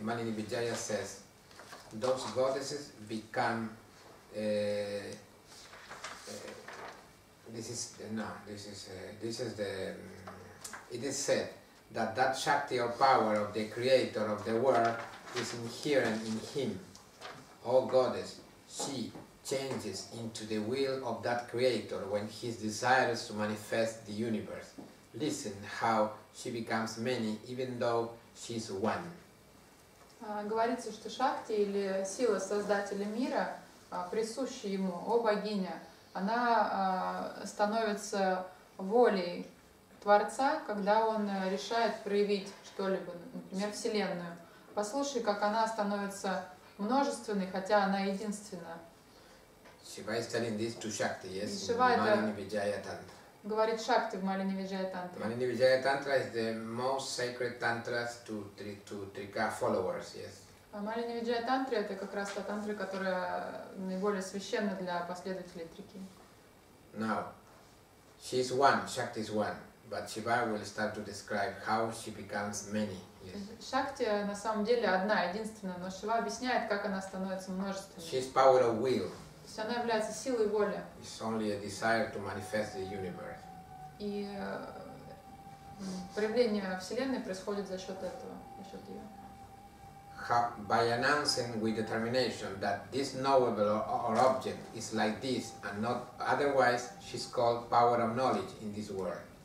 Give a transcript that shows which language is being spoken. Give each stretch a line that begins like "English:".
English: Malini Vijaya says, those goddesses become it is said that Shakti or power of the creator of the world is inherent in him. Oh goddess, she changes into the will of that creator when he desires to manifest the universe. Listen how she becomes many, even though she is one.
Russian: Говорится, что Шакти или сила создателя мира, присущая ему, о богиня, она становится волей Творца, когда он решает проявить что-либо, например, Вселенную. Послушай, как она становится множественной, хотя она единственная.
English: Шива is telling this to Shakti, yes, Malini Vijaya Tantra.
Russian: Говорит Шакти в Малини Виджая Тантре.
English: Малини Виджая Тантра is the most sacred tantra to Трика followers, yes.
Russian: Малини Виджая Тантре — это как раз та тантра, которая наиболее священна для последователей Трики.
English: Now, she is one, Shakti is one, but Shiva will start to describe how she becomes many.
Russian: Шакти на самом деле одна, единственная, но Шива объясняет, как она становится множественной.
English: She is power of will.
Russian: То есть она является силой воли.
English: It's only a desire to manifest the universe.
Russian: И проявление Вселенной происходит за счет этого, за счет ее.
English: By announcing with determination that this knowable or object is like this and not otherwise, she's called power of knowledge in this world.